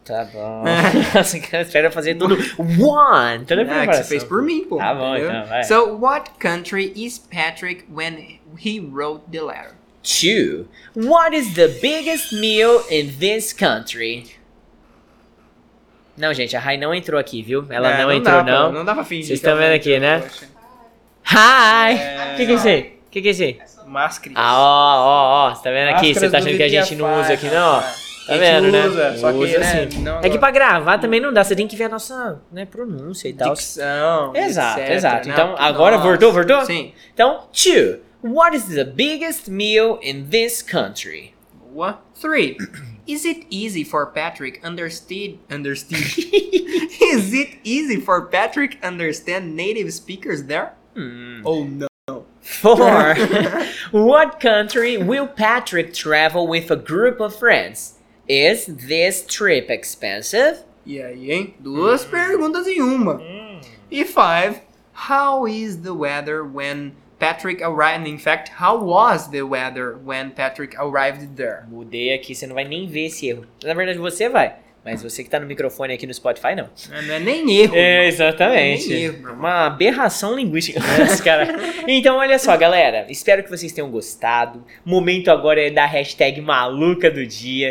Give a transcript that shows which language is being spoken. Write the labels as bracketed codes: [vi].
[pt] Tá bom. Espera fazer tudo. One. Tudo bem, você fez por mim, pô. Tá bom, entendeu? Então, vai. [en] So, what country is Patrick when he wrote the letter? Two. What is the biggest meal in this country? [pt] Não, gente, a Rai não entrou aqui, viu? Ela não entrou, dá, não. Pô, não dá pra fingir. Vocês estão vendo aqui, né? Hi! O que é isso aí? Máscara. Ah, ó, você tá vendo aqui? Você tá achando que a gente não usa aqui, não? Tá vendo, né? Só que usa, sim. É que pra gravar também não dá, você tem que ver a nossa, né, pronúncia e tal. Dicção. Exato, exato. Então, agora voltou, voltou? Sim. Então, two. [en] What is the biggest meal in this country? What? Three. Is it easy for Patrick understand? Is it easy for Patrick understand native speakers there? Oh no. Four. What country will Patrick travel with a group of friends? Is this trip expensive? [pt] E aí, hein? Duas perguntas em uma. E five. [en] How is the weather when Patrick arrived? In fact, how was the weather when Patrick arrived there? [pt] Mudei aqui, você não vai nem ver esse erro. Na verdade, você vai. Mas você que tá no microfone aqui no Spotify, não. Não é nem erro. É, exatamente. Não é nem erro. Uma aberração linguística. Mas, cara. Então, olha só, galera. Espero que vocês tenham gostado. Momento agora é da hashtag maluca do dia.